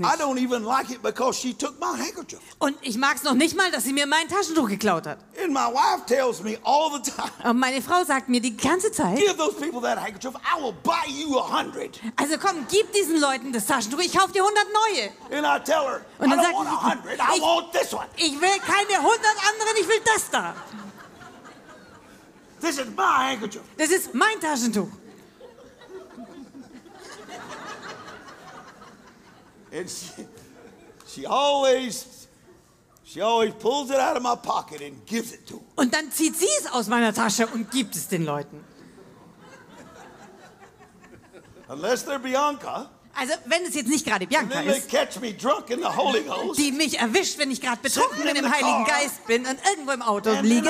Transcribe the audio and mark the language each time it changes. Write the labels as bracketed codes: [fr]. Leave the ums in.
[en] I don't even like it because she took my handkerchief. [de] Und ich mag's noch nicht mal, dass sie mir mein Taschentuch geklaut hat. [en] And my wife tells me all the time. [de] Und meine Frau sagt mir die ganze Zeit. [en] Give those people that handkerchief. I will buy you a hundred. [de] Also komm, gib diesen Leuten das Taschentuch. Ich kaufe dir 100 neue. [en] And I tell her. Und [de] dann sagt sie, Ich will keine 100 anderen. Ich will das da. [en] This is my handkerchief. [de] Das ist mein Taschentuch. [en] And she, she always she always pulls it out of my pocket and gives it to. Her. [de] Und dann zieht sie es aus meiner Tasche und gibt es den Leuten. [en] Unless they're Bianca. [de] Also, wenn es jetzt nicht gerade Bianca ist, Ghost, die mich erwischt, wenn ich gerade betrunken in dem Heiligen Geist bin und irgendwo im Auto liege.